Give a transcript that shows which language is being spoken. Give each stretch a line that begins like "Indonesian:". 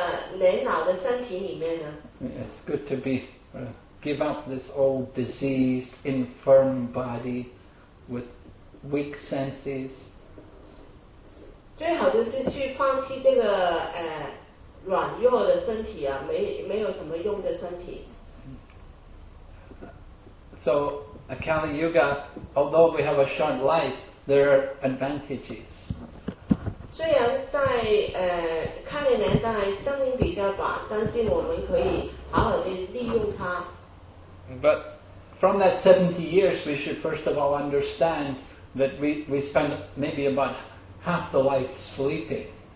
Chinese: 谁想在这个年老的身体里面呢?
English: It's good to be, give up this old, diseased, infirm body with weak senses.
Chinese: 最好就是去放弃这个软弱的身体啊,没有什么用的身体。
English: So, a Kali Yuga, although we have a short life, there are advantages.
Chinese: 虽然在康年年代生命比较短，但是我们可以好好地利用它。
English: But from that 70 years, we should first of all understand that we spend maybe about half the life sleeping.